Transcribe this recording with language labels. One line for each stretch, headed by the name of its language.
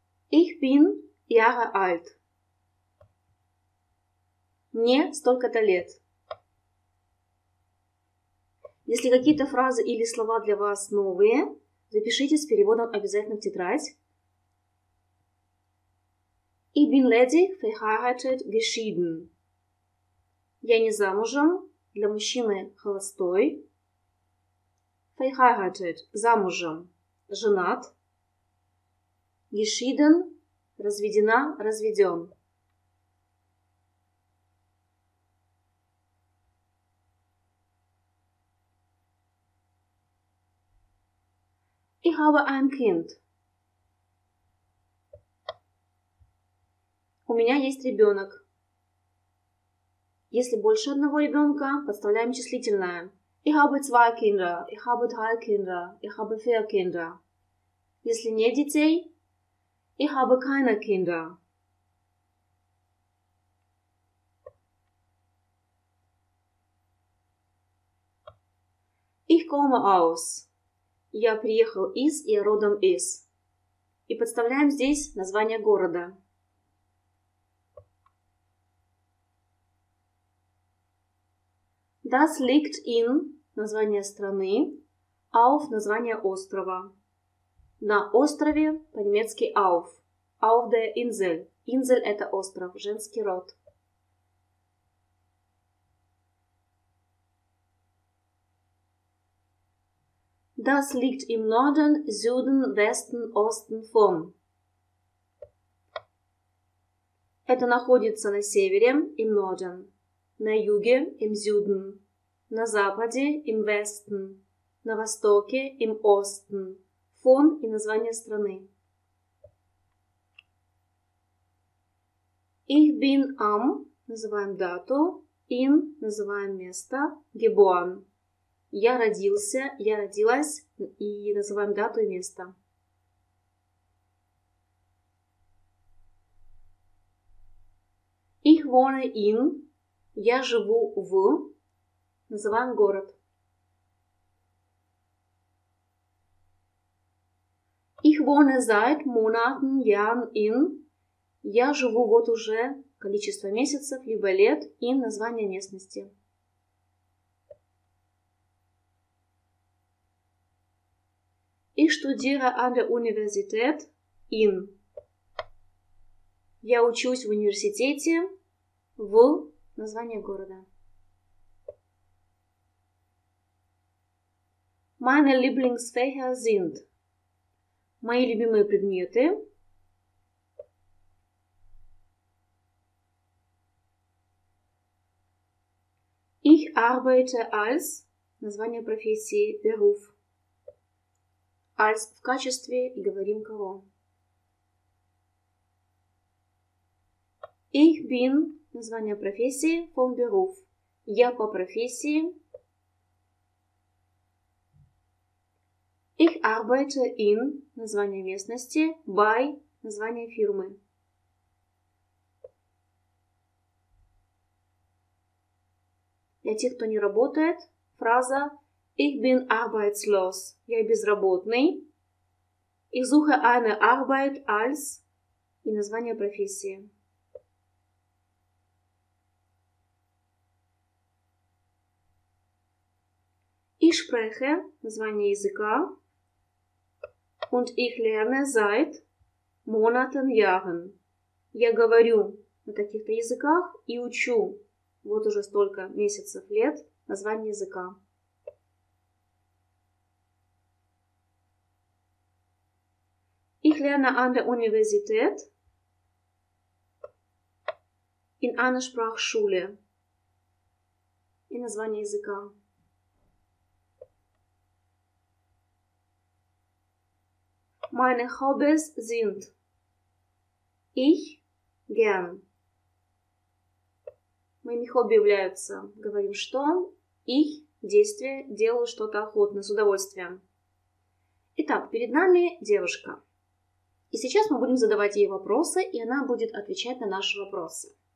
German: Ich bin Jahre alt.
Russian: Мне столько-то лет. Если какие-то фразы или слова для вас новые, запишите с переводом обязательно в тетрадь.
German: Ich bin ledig, verheiratet, geschieden.
Russian: Я не замужем, для мужчины холостой.
German: Verheiratet,
Russian: замужем, женат.
German: Geschieden,
Russian: разведена, разведен.
German: Ich habe ein Kind.
Russian: У меня есть ребенок. Если больше одного ребенка, подставляем числительное.
German: Ich habe zwei Kinder, ich habe drei Kinder, ich habe vier Kinder.
Russian: Если нет детей,
German: ich habe keine Kinder. Ich komme aus.
Russian: Я приехал из, я родом из. И подставляем здесь название города.
German: Das liegt in,
Russian: название страны,
German: auf,
Russian: название острова. На острове, по-немецки auf,
German: auf der Insel.
Russian: Insel – это остров, женский род.
German: Das liegt im Norden, Süden, Westen, Osten, von.
Russian: Это находится на севере,
German: im Norden,
Russian: на юге,
German: im Süden.
Russian: На западе –
German: im Westen,
Russian: на востоке –
German: im Osten,
Russian: фон и название страны.
German: Ich bin am –
Russian: называем дату,
German: in –
Russian: называем место,
German: geboren.
Russian: Я родился, я родилась и называем дату и место.
German: Ich wohne in –
Russian: я живу в. Называем город.
German: Ich wohne seit Monaten, Jahren in.
Russian: Я живу вот уже количество месяцев, либо лет, и название местности.
German: Ich studiere an der Universität in.
Russian: Я учусь в университете в название города.
German: Meine Lieblingsfächer sind.
Russian: Мои любимые предметы.
German: Ich arbeite als.
Russian: Название профессии.
German: Beruf.
Russian: Als в качестве. И говорим кого.
German: Ich bin.
Russian: Название профессии.
German: Vom Beruf.
Russian: Я по профессии.
German: Ich arbeite in,
Russian: название местности,
German: bei,
Russian: название фирмы. Для тех, кто не работает, фраза
German: Ich bin arbeitslos,
Russian: я безработный.
German: Ich suche eine Arbeit als
Russian: и название профессии.
German: Ich spreche,
Russian: название языка.
German: Und ich lerne seit Monaten, Jahren.
Russian: Я говорю на таких-то языках и учу вот уже столько месяцев, лет, название языка.
German: Ich lerne an der Universität in einer Sprachschule.
Russian: и название языка.
German: Meine Hobbys sind ich gern.
Russian: Моими хобби являются, говорим, что ich, действие, делаю что-то охотно, с удовольствием. Итак, перед нами девушка. И сейчас мы будем задавать ей вопросы, и она будет отвечать на наши вопросы.